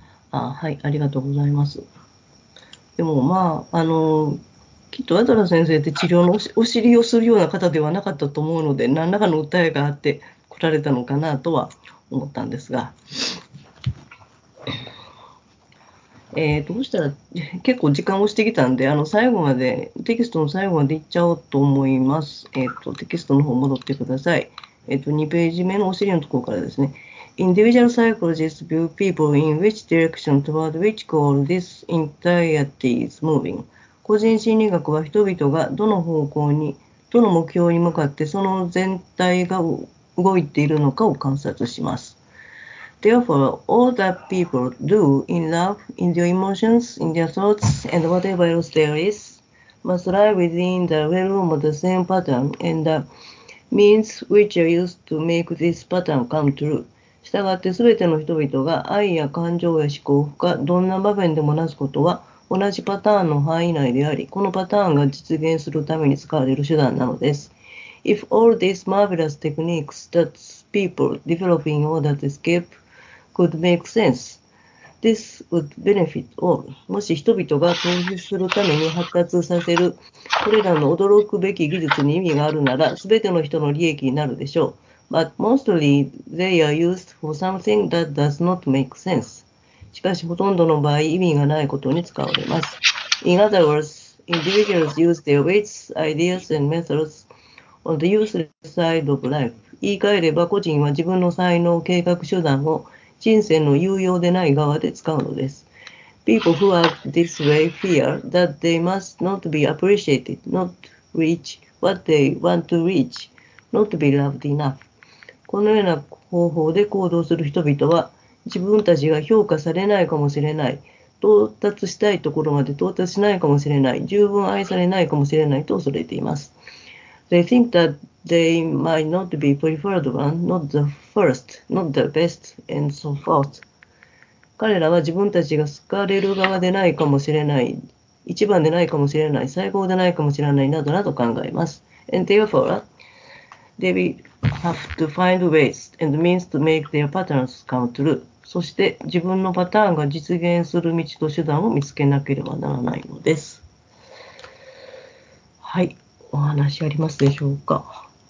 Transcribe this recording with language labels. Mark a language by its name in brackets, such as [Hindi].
[Japanese] あ、はい、ありがとうございます。でもまあきっとアドラ先生って治療のお尻をするような方ではなかったと思うので、何らかの訴えがあって来られたのかなとは思ったんですが、どうしたら、結構時間をしてきたんで、最後までテキストの最後までいっちゃおうと思います。テキストの方戻ってください。2ページ目のお尻のところからですね。 [English] Individual psychologists view people in which direction toward which goal this entirety is moving。 [Japanese] 個人心理学は人々がどの方向に、どの目標に向かってその全体が動いているのかを観察します。 [English] Therefore, all that people do in love, in their emotions, in their thoughts, and whatever else there is, must lie within the realm of the same pattern and the means which are used to make this pattern come true. [Japanese] 従って、すべての人々が愛や感情や思考をどんな場面でもなすことは同じパターンの範囲内であり、このパターンが実現するために使われる手段なのです。 [English] If all these marvelous techniques that people develop in order to escapeCould make sense. This would benefit all. [Japanese] もし人々が逃避するために発達させるこれらの驚くべき技術に意味があるなら、すべての人の利益になるでしょう。 [English] But mostly they are used for something that does not make sense. [Japanese] しかし、ほとんどの場合、意味がないことに使われます。 [English] In other words, individuals use their wits, ideas, and methods on the useless side of life. [Japanese] 言い換えれば、個人は自分の才能、計画、手段を人生の有用でない側で使うのです。 [English] People who act this way fear that they must not be appreciated, not reach what they want to reach, not be loved enough. [Japanese] このような方法で行動する人々は、自分たちが評価されないかもしれない、到達したいところまで到達しないかもしれない、十分愛されないかもしれないと恐れています。 [English] they think that they might not be preferred one, not the first, not the best, and so forth. [Japanese] 彼らは自分たちが好かれる側でないかもしれない、一番でないかもしれない、最高でないかもしれないなどなど考えます。 [English] And therefore, they have to find ways and means to make their patterns come true. [Japanese] そして自分のパターンが実現する道と手段を見つけなければならないのです。はい、お話ありますでしょうか。